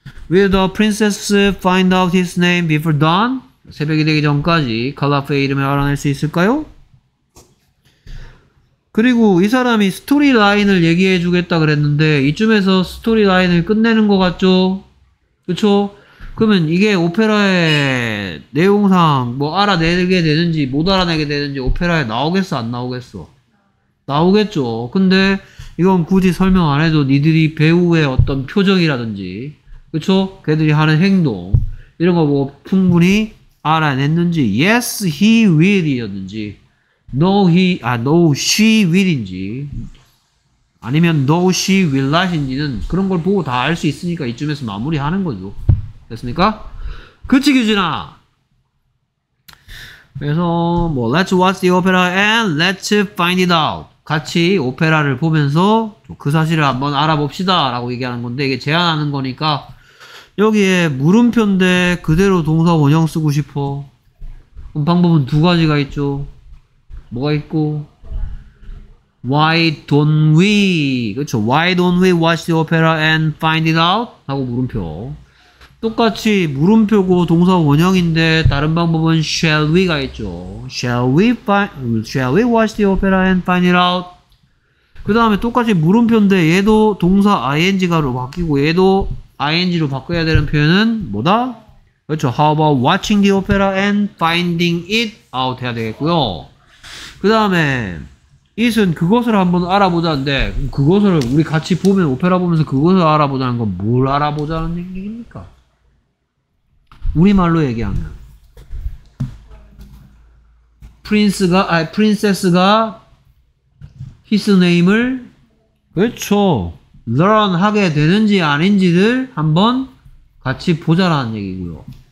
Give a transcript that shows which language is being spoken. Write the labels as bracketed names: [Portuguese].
[English] Will the princess find out his name before dawn? [Korean] 새벽이 되기 전까지 칼라프의 이름을 알아낼 수 있을까요? 그리고 이 사람이 스토리라인을 얘기해 주겠다 그랬는데 이쯤에서 스토리라인을 끝내는 것 같죠? 그쵸? 그러면 이게 오페라의 내용상 뭐 알아내게 되는지 못 알아내게 되는지 오페라에 나오겠어 안 나오겠어? 나오겠죠. 근데 이건 굳이 설명 안 해도 니들이 배우의 어떤 표정이라든지, 그쵸? 걔들이 하는 행동 이런 거 뭐 충분히 알아냈는지, [English] yes he will [Korean] 이었는지 [English] no he, [Korean] 아 [English] no she will [Korean] 인지 아니면 [English] no she will not [Korean] 인지는 그런 걸 보고 다 알 수 있으니까 이쯤에서 마무리 하는 거죠. 됐습니까? 그치 규진아. 그래서 뭐 [English] let's watch the opera and let's find it out. [Korean] 같이 오페라를 보면서 그 사실을 한번 알아봅시다 라고 얘기하는 건데, 이게 제안하는 거니까 여기에 물음표인데 그대로 동사 원형 쓰고 싶어. 그럼 방법은 두 가지가 있죠. 뭐가 있고? [English] Why don't we, [Korean] 그렇죠. [English] Why don't we watch the opera and find it out [Korean] 하고 물음표. 똑같이 물음표고 동사 원형인데 다른 방법은 [English] shall we가 있죠. Shall we find, shall we watch the opera and find it out? [Korean] 그 다음에 똑같이 물음표인데 얘도 동사 ing가로 바뀌고 얘도 ing로 바꿔야 되는 표현은 뭐다? 그렇죠. [English] How about watching the opera and finding it out [Korean] 해야 되겠고요. 그 다음에 it은 그것을 한번 알아보자는데 그것을 우리 같이 보면 오페라 보면서 그것을 알아보자는 건 뭘 알아보자는 얘기입니까? 우리말로 얘기하면 프린스가 아니 프린세스가 [English] his name [Korean] 을 그렇죠 [English] learn [Korean] 하게 되는지 아닌지를 한번 같이 보자라는 얘기고요.